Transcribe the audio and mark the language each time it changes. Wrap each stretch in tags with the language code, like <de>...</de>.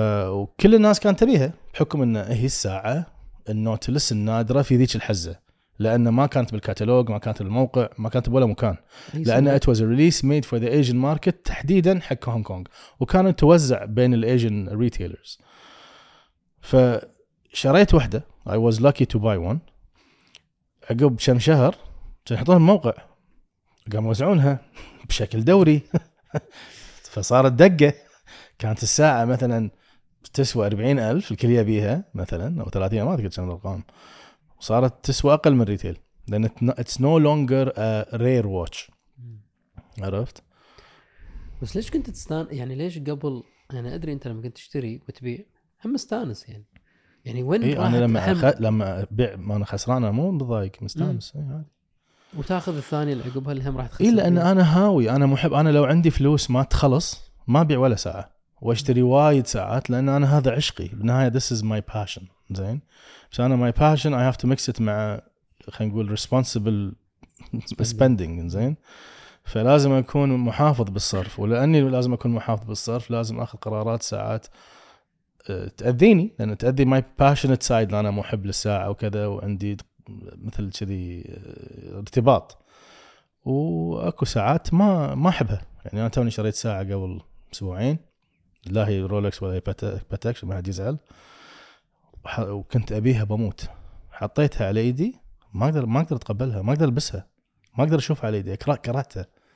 <ar>وكل الناس كانت تبيها بحكم ان هي الساعه النوتلس النادره في ذيك الحزه لان ما كانت بالكتالوج, ما كانت بالموقع, ما كانت بولا مكان, لان</ar> <en>it was a release made for the Asian market</en> <ar>تحديدا حق هونغ كونغ وكانت توزع بين الايجن ريتيلرز. فشريت واحده,</ar> <en>I was lucky to buy one.</en> <ar>عقب كم شهر تحطون الموقع قاموا يوزعونها بشكل دوري فصارت دقة. كانت الساعة مثلا تسوى 40000 الكل يبيها مثلا أو 30 ما أذكر كم الأرقام, وصارت تسوى أقل من ريتيل لأن</ar> <en>it's no longer a rare watch.</en> <ar>عرفت؟ بس ليش كنت تستان يعني ليش قبل يعني أدري أنت لما كنت تشتري وتبيع هم استانس يعني يعني وين إيه أنا لما لما بيع ما أنا خسران مو بضايق مستانس إيه هذا وتأخذ الثاني العقب هالهم راح تخسر إلا إيه أن أنا هاوي أنا محب. أنا لو عندي فلوس ما تخلص ما بيع ولا ساعة واشتري وايد ساعات لأن أنا هذا عشقي بالنهاية</ar> <en>this is my passion.</en> <ar>زين بس أنا</ar> <en>my passion I have to mix it</en> <ar>مع خلينا نقول</ar> <en>responsible spending.</en> <ar>زين فلازم أكون محافظ بالصرف ولأني لازم أكون محافظ بالصرف لازم أخذ قرارات ساعات تأذيني لأن تأذي</ar> <en>my passionate side</en> <ar>لأن أنا محب للساعة وكذا وعندي مثل كذي ارتباط. وأكو ساعات ما أحبها يعني أنا توني شريت ساعة قبل أسبوعين لا هي رولكس ولا هي باتكس ما حد يزعل وكنت أبيها بموت حطيتها على إيدي ما أقدر أتقبلها ما أقدر ألبسها ما أقدر أشوفها على إيدي كرهتها.</ar>